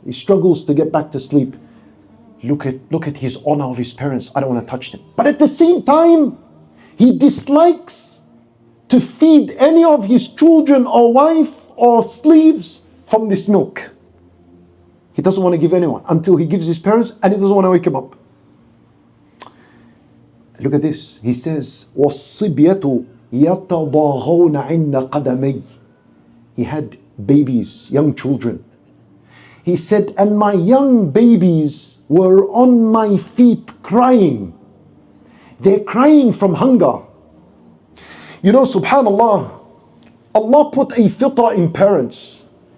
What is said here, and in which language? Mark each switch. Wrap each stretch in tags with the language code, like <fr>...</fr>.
<en>He struggles to get back to sleep. Look at his honor of his parents. I don't want to touch them. But at the same time, he dislikes to feed any of his children or wife or slaves from this milk. He doesn't want to give anyone until he gives his parents, and he doesn't want to wake him up. Look at this. He says,</en> <ar>وَالصِّبْيَةُ يَتَضَاغَوْنَ عِنَّ قَدَمَيْ.</ar> <en>He had babies, young children. He said, and my young babies were on my feet crying. They're crying from hunger. You know, subhanAllah, Allah put a fitrah in parents.</en>